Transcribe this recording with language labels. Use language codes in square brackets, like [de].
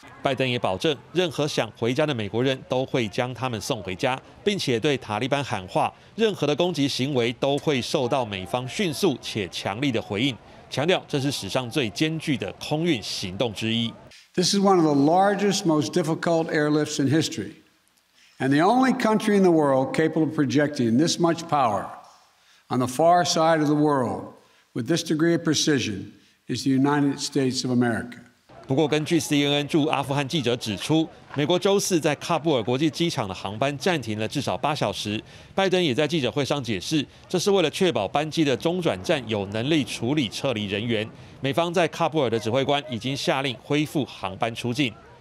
[zh] 拜登也保证，任何想回家的美国人都会将他们送回家，并且对塔利班喊话，任何的攻击行为都会受到美方迅速且强力的回应，强调这是史上最艰巨的空运行动之一。 [en] This is one of the largest, most difficult airlifts in history, and the only country in the world capable of projecting this much power on the far side of the world with this degree of precision is the United States of America. [zh] 不过，根据 CNN 驻阿富汗记者指出，美国周四在喀布尔国际机场的航班暂停了至少8小时。拜登也在记者会上解释，这是为了确保班机的中转站有能力处理撤离人员。美方在喀布尔的指挥官已经下令恢复航班出境。